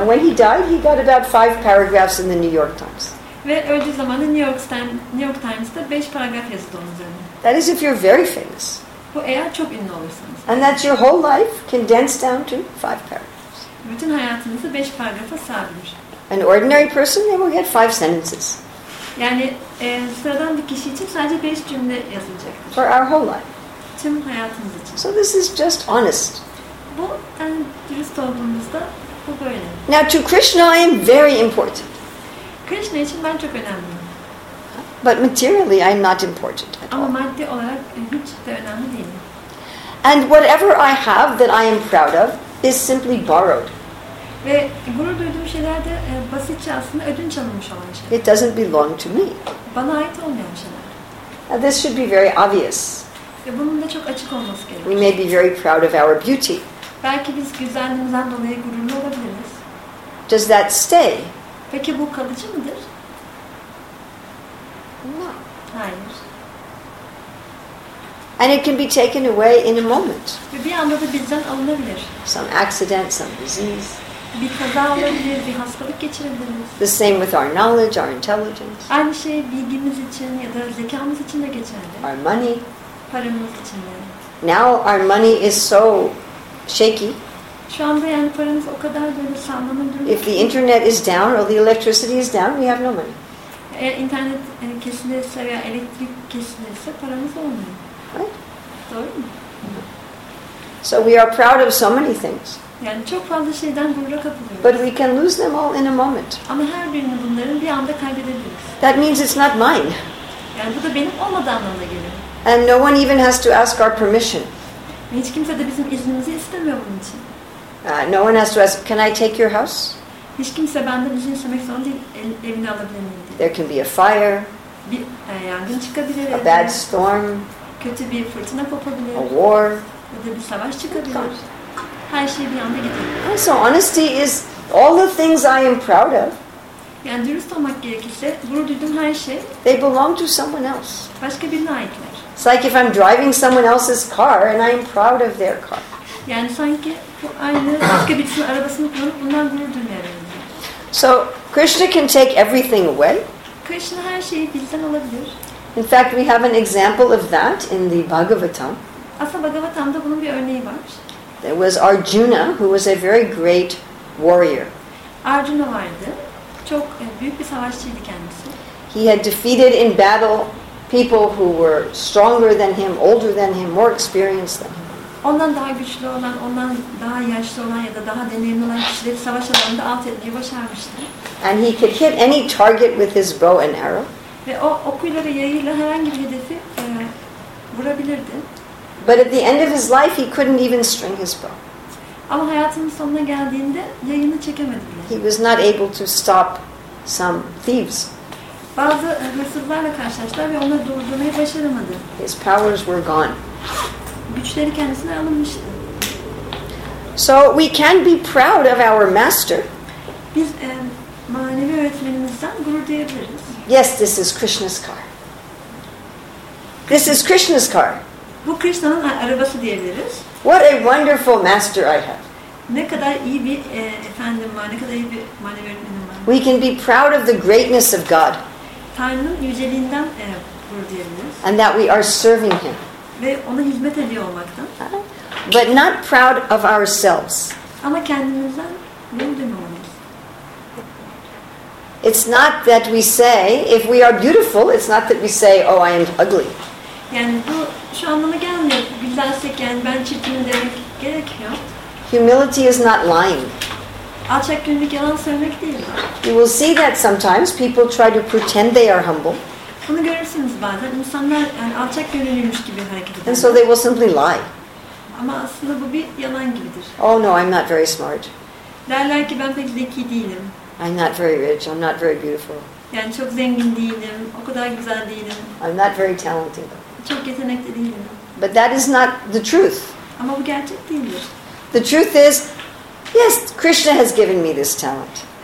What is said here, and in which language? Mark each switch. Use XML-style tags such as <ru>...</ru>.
<en>And when he died, he got about 5 paragraphs in the New York Times.</en> <tr>Ve öldüğü zaman da New York Times'ta 5 paragraf yazdı onun üzerine.</tr> <en>That is if you're very famous.</en> <tr>Bu eğer çok ünlü olursanız.</tr> <en>And that's your whole life condensed down to 5 paragraphs.</en> <tr>Bütün hayatınızı 5 paragrafa sığabilir.</tr> <en>An ordinary person, they will get 5 sentences.</en> <tr>Yani sıradan bir kişi için sadece 5 cümle yazılacaktır.</tr> <en>For our whole life.</en> <tr>Tüm hayatımız için.</tr> <en>So this is just honest.</en> <tr>Bu dürüst olduğumuzda bu böyle.</tr> <en>Now to Krishna, I am very important.</en> <tr>Krishna için ben çok önemliyim.</tr> <en>But materially, I am not important at all.</en> <tr>Ama maddi olarak hiç de önemli değilim.</tr> <en>And whatever I have that I am proud of is simply borrowed.</en> <tr>Ve gurur duyduğum şeyler de basitçe aslında ödünç alınmış olan şeyler.</tr> <en>It doesn't belong to me.</en> <tr>Bana ait olmayan şeyler.</tr> <en>Now this should be very obvious.</en> <tr>Bunun da çok açık olması gerekiyor.</tr> <en>We may be very proud of our beauty.</en> <tr>Belki biz güzelliğimizden dolayı gururlu olabiliriz.</tr> <en>Does that stay?</en> <tr>Peki bu kalıcı mıdır?</tr> <en>No.</en> <tr>Hayır.</tr> <en>And it can be taken away in a moment.</en> <tr>Ve bir anda da bizden alınabilir.</tr> <en>Some accident, some disease.</en> <tr>Bir kaza olabilir, bir hastalık geçirebiliriz.</tr> <en>The same with our knowledge, our intelligence.</en> <tr>Aynı şey bilgimiz için ya da zekamız için de geçerli.</tr> <en>Our money.</en> <tr>Paramız için de.</tr> <en>Now our money is so shaky.</en> <tr>Şu anda yani paramız o kadar böyle sallanma durumda.</tr> <en>If the internet is down or the electricity is down, we have no money.</en> <tr>Eğer internet kesilirse veya elektrik kesilirse paramız olmuyor.</tr> <en>Right?</en> <tr>Doğru mu?</tr> <en>So we are proud of so many things.</en> <tr>Yani çok fazla şeyden gurura kapılıyoruz.</tr> <en>But we can lose them all in a moment.</en> <tr>Ama her birini bunların bir anda kaybedebiliriz.</tr> <en>That means it's not mine.</en> <tr>Yani bu da benim olmadığı anlamına geliyor.</tr> <en>And no one even has to ask our permission.</en> <tr>Hiç kimse de bizim iznimizi istemiyor bunun için.</tr> <en>No one has to ask, can I take your house?</en> <tr>Hiç kimse benden izin istemek zorunda değil, evini alabilir miyim?</tr> <en>There can be a fire.</en> <tr>Bir yangın çıkabilir.</tr> <en>A bad storm.</en> <tr>Kötü bir fırtına kopabilir.</tr> <en>A war.</en> <tr>Ya da bir savaş çıkabilir. Her şey bir anda gidiyor.</tr> <en>So honesty is all the things I am proud of.</en> <tr>Yani dürüst olmak gerekirse, gurur duyduğum her şey.</tr> <en>They belong to someone else.</en> <tr>Başka birine aitler.</tr> <en>It's like if I'm driving someone else's car and I'm proud of their car.</en> <tr>Yani sanki bu aynı başka birisinin arabasını kullanıp bundan gurur duymayalım.</tr> <en>So Krishna can take everything away.</en> <tr>Krishna her şeyi bizden alabilir.</tr> <en>In fact, we have an example of that in the Bhagavatam.</en> <tr>Aslında Bhagavatam'da bunun bir örneği var.</tr> <en>There was Arjuna, who was a very great warrior.</en> <tr>Arjuna vardı. Çok büyük bir savaşçıydı kendisi.</tr> <en>He had defeated in battle people who were stronger than him, older than him, more experienced than him.</en> <tr>Ondan daha güçlü olan, ondan daha yaşlı olan ya da daha deneyimli olan kişileri savaş alanında alt etmeyi başarmıştı.</tr> <en>And he could hit any target with his bow and arrow.</en> <tr>Ve o okuyla yayıyla herhangi bir hedefi vurabilirdi.</tr> <en>But at the end of his life, he couldn't even string his bow.</en> <tr>Ama hayatının sonuna geldiğinde yayını çekemedi bile.</tr> <en>He was not able to stop some thieves.</en> <tr>Bazı hırsızlarla karşılaştı ve onları durdurmayı başaramadı.</tr> <en>His powers were gone.</en> <tr>Güçleri kendisine alınmıştı.</tr> <en>So we can be proud of our master.</en> <tr>Biz manevi öğretmenimizden gurur duyabiliriz.</tr> <en>Yes, this is Krishna's car. This is Krishna's car.</en> <tr>Bu Krishna'nın arabası diyebiliriz.</tr> <en>What a wonderful master I have.</en> <tr>Ne kadar iyi bir efendim var, ne kadar iyi bir manevi öğretmenim var.</tr> <en>We can be proud of the greatness of God.</en> <tr>Tanrı'nın yüceliğinden gurur duyabiliriz.</tr> <en>And that we are serving him.</en> <tr>Ve ona hizmet ediyor olmaktan.</tr> <en>But not proud of ourselves.</en> <tr>Ama kendimizden gurur duymamalıyız.</tr> <en>It's not that we say, if we are beautiful, it's not that we say, oh, I am ugly.</en> <tr>Yani bu şu anlama gelmiyor. Güzelsek yani ben çirkinim demek gerekmiyor.</tr> <en>Humility is not lying.</en> <tr>Alçak gönüllük yalan söylemek değil.</tr> <en>You will see that sometimes people try to pretend they are humble.</en> <tr>Bunu görürsünüz bazen. İnsanlar yani alçak gönüllüymüş gibi hareket ediyor.</tr> <en>And so they will simply lie.</en> <tr>Ama aslında bu bir yalan gibidir.</tr> <en>Oh no, I'm not very smart.</en> <tr>Derler ki ben pek zeki değilim.</tr> <en>I'm not very rich. I'm not very beautiful.</en> <tr>Yani çok zengin değilim. O kadar güzel değilim.</tr> <en>I'm not very talented.</en> <tr>Çok yetenekli değilim.</tr> <en>But that is not the truth.</en> <tr>Ama bu gerçek değildir.</tr> <en>The truth is, yes, Krishna has given me this talent.</en>